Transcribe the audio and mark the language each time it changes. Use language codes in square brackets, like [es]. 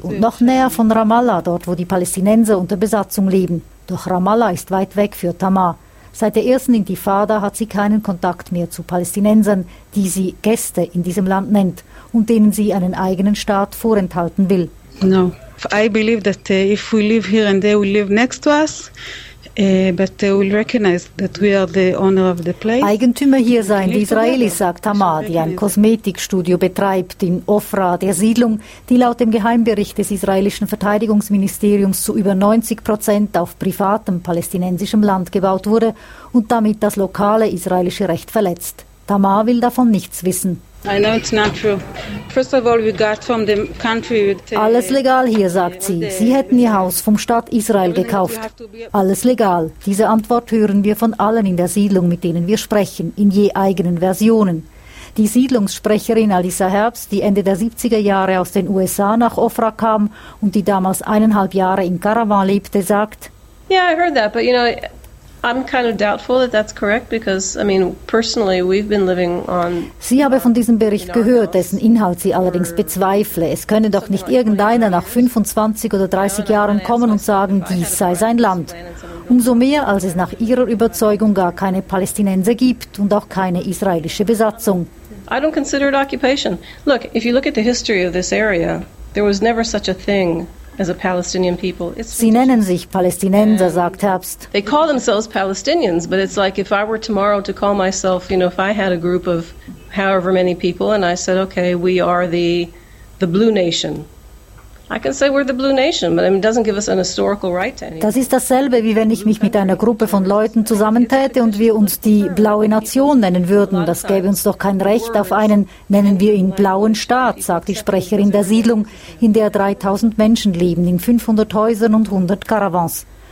[de] Und noch näher von Ramallah, dort, wo die Palästinenser unter Besatzung leben. Doch Ramallah ist weit weg für Tamar. Seit der ersten Intifada hat sie keinen Kontakt mehr zu Palästinensern, die sie Gäste in diesem Land nennt und denen sie einen eigenen Staat vorenthalten will. [en] No. I believe that if we live here and they will live next to us, but they will recognize that we are the owner of the place. [de] Eigentümer hier seien die Israelis, sagt Tamar, die ein Kosmetikstudio betreibt in Ofra, der Siedlung, die laut dem Geheimbericht des israelischen Verteidigungsministeriums zu über 90% auf privatem palästinensischem Land gebaut wurde und damit das lokale israelische Recht verletzt. Tamar will davon nichts wissen. [en] I know it's not true. First of all, we got from the country. [de] Alles legal hier, sagt sie. Sie hätten ihr Haus vom Staat Israel gekauft. Alles legal. Diese Antwort hören wir von allen in der Siedlung, mit denen wir sprechen, in je eigenen Versionen. Die Siedlungssprecherin Alisa Herbst, die Ende der 70er Jahre aus den USA nach Ofra kam und die damals 1,5 Jahre in Karawan lebte, sagt: [en] Yeah, I heard that, but you know, I'm kind of doubtful that that's correct because, I mean, personally, we've been living on. [de] Sie habe von diesem Bericht gehört, dessen Inhalt sie allerdings bezweifle. Es könne doch nicht irgendeiner nach 25 oder 30 Jahren kommen und sagen, dies sei sein Land. Umso mehr, als es nach ihrer Überzeugung gar keine Palästinenser gibt und auch keine israelische Besatzung. [en] I don't consider it occupation. Look, if you look at the history of this area, there was never such a thing. As a Palestinian people. [de] Sie nennen sich Palästinenser, sagt Herbst. [en] They call themselves Palestinians, but it's like if I were tomorrow to call myself, you know, if I had a group of however many people and I said, okay, we are the Blue Nation. I can say we're the Blue Nation, but it doesn't give us an historical right to anything. [de] Das ist dasselbe, wie wenn ich mich mit einer Gruppe von Leuten zusammentäte und wir uns die Blaue Nation nennen würden. Das gäbe uns doch kein Recht auf einen, nennen wir ihn Blauen Staat, sagt die Sprecherin der Siedlung, in der 3000 Menschen leben, in 500 Häusern und 100 Karawans.